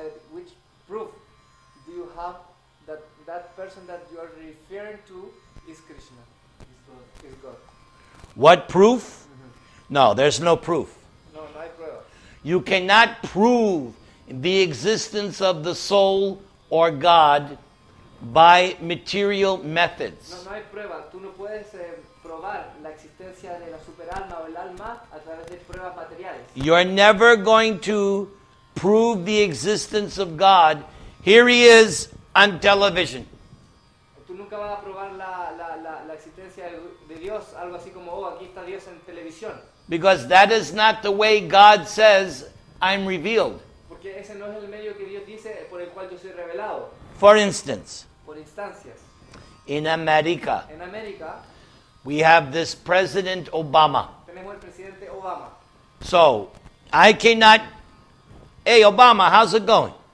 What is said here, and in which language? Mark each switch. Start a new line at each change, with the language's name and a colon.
English: Which proof do you have that that person that you are referring to is Krishna? Is God. What proof? Mm-hmm. No, there's no proof.
Spanish: No, no hay prueba.
English: You cannot prove the existence of the soul or God by material methods.
Spanish: No, no hay prueba. Tú no puedes probar la existencia de la superalma o el alma a través de pruebas materiales.
English: You're never going to prove the existence of God. Here he is on television.
Spanish: Tú nunca vas a probar la existencia de Dios, algo así como, oh, aquí está Dios en televisión.
English: Because that is not the way God says, I'm revealed.
Spanish: Porque ese no es el medio que Dios dice por el cual yo soy revelado.
English: For instance,
Spanish: por instancias,
English: in America,
Spanish: en América,
English: we have this President Obama.
Spanish: Tenemos el presidente Obama.
English: So, I cannot, hey Obama, how's it going?